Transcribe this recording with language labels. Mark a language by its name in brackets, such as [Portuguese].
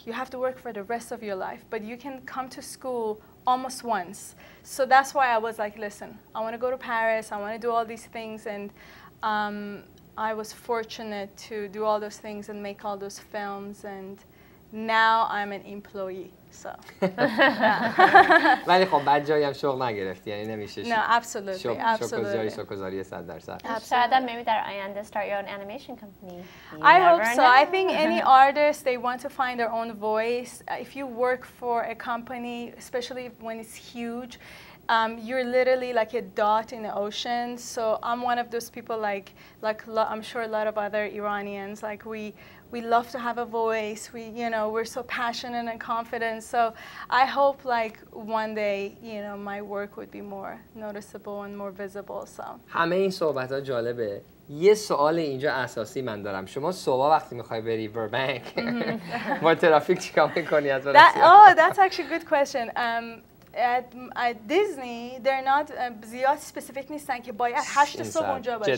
[English] You have to work for the rest of your life, but you can come to school almost once. So that's why I was like, listen, I wanna go to Paris, I wanna do all these things. And I was fortunate to do all those things and make all those films. And now I'm an employee. So. [Persian] ولی خب بعد جایی هم شغل نگرفتی، یعنی نمیشه. [English] No, absolutely. [Persian] شغل شغلگذاری 100%. شاید هم [English] maybe [Persian] در آینده [English] start your own animation company. I hope so. I think any artist, they want to find their own voice. If you work for a company, especially when it's huge, you're literally like a dot in the ocean. So I'm one of those people I'm sure a lot of other Iranians, like we love to have a voice. We, you know, we're so passionate and confident. So I hope like one day, you know, my work would be more noticeable and more visible. So [Persian] همه این صحبت ها جالبه. یه سوال اینجا اساسی من دارم. شما صبح وقتی میخوای بری بربنک با ترافیک چیکار میکنی؟ از [English] That's actually a good question. At Disney, they're not [Persian] زیاد [English] specific [Persian] نیستن که باید 8 صبح اونجا باشی.